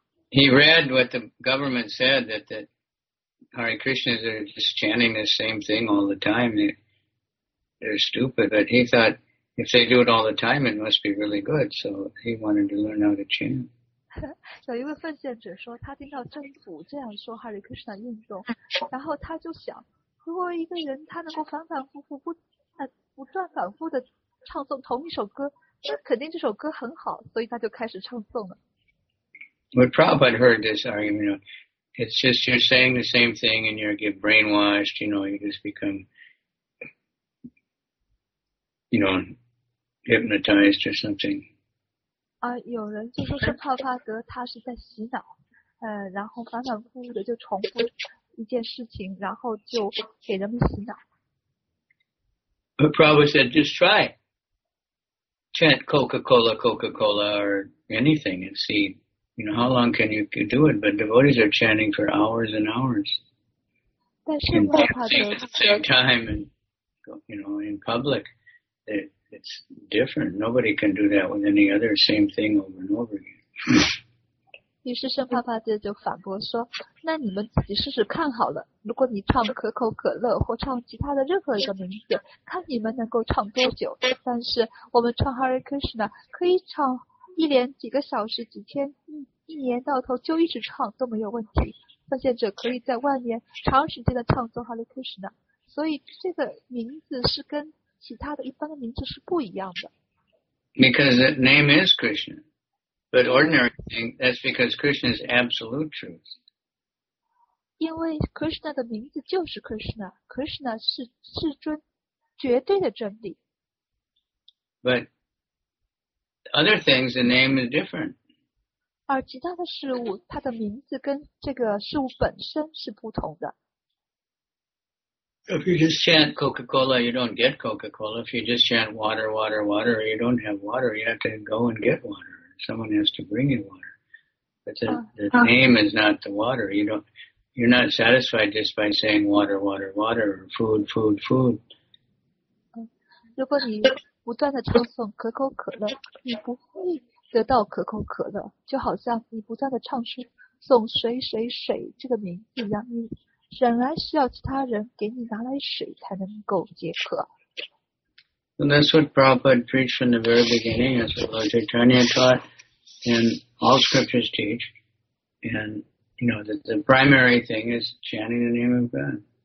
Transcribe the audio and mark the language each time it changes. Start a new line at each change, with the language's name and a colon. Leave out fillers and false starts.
English: He read what the government said, that the Hare Krishnas are just chanting the same thing all the time. They're stupid. But he thought, if they do it all the time, it must be really good. So he wanted to learn how to chant.
Chinese: 有一位奉献者说，他听到政府这样说 Hare Krishna 运动，然后他就想，如果一个人他能够反反复复不断反复的唱诵同一首歌，那肯定这首歌很好，所以他就开始唱诵了。
English: But Prabhupada heard this argument. You know, it's just you're saying the same thing and you're get brainwashed. You know, you just become, you know, hypnotized or something.
Chinese: 有人就说圣帕帕德他是在洗脑，然后反反复复的就重复一件事情，然后就给人们洗脑。
English: But Prabhupada said, just try. Chant Coca-Cola, Coca-Cola, or anything and see, you know, how long can you do it? But devotees are chanting for hours and hours.
Chinese: 但是圣帕帕德
English: at the same time and, you know, in public, It's different. Nobody can do that with any other same thing over and over again.
Chinese: 于是圣帕帕德就反驳说，那你们自己试试看好了，如果你唱可口可乐或唱其他的任何一个名字，看你们能够唱多久。但是我们唱 Hare Krishna 可以唱一连几个小时几天，一年到头就一直唱都没有问题。奉献者可以在万年长时间的唱诵 Hare Krishna， 所以这个名字是跟其他的一般的名字是不一样的。
English: Because the name is Krishna. But ordinary thing, that's because Krishna is absolute truth.
Chinese: 因为 Krishna 的名字就是 Krishna. Krishna 是至尊，绝对的真理。
English: But other things, the name is different.
Chinese: 而其他的事物，它的名字跟这个事物本身是不同的。
English: If you just chant Coca-Cola, you don't get Coca-Cola. If you just chant water, water, water, you don't have water. You have to go and get water. Someone has to bring you water. But the name is not the water. You're not satisfied just by saying water, water, water, or food, food, food.
Chinese: 如果你不断地唱诵可口可乐，你不会得到可口可乐。就好像你不断地唱诵水水水这个名字一样，你仍然需要其他人给你拿来水才能够解渴。
English: And that's what Prabhupada preached from the very beginning, as Lord Chaitanya taught, and all scriptures teach, and you know that the primary thing is chanting the name of God.